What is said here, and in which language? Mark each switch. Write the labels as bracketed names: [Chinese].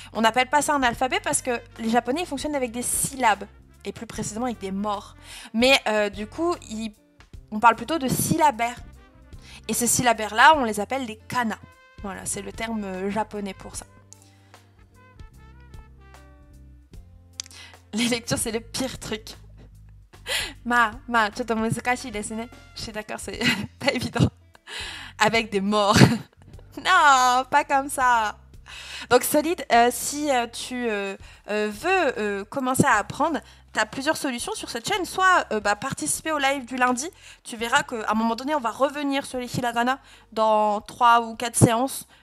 [French] On n'appelle pas ça un alphabet parce que les japonais, ils fonctionnent avec des syllabes, et plus précisément avec des mots. Mais du coup, on parle plutôt de syllabaires. Et ces syllabaires-là, on les appelle les kana. Voilà, c'est le terme japonais pour ça. Les lectures, c'est le pire truc. [Japanese] Ma, ちょっと難しい desu ne. [French] Je suis d'accord, c'est pas évident. Avec des morts. Non, pas comme ça. Donc, solide, si tu veux commencer à apprendre, tu as plusieurs solutions sur cette chaîne. Soit participer au live du lundi. Tu verras qu'à un moment donné, on va revenir sur les hiragana dans 3 ou 4 séances.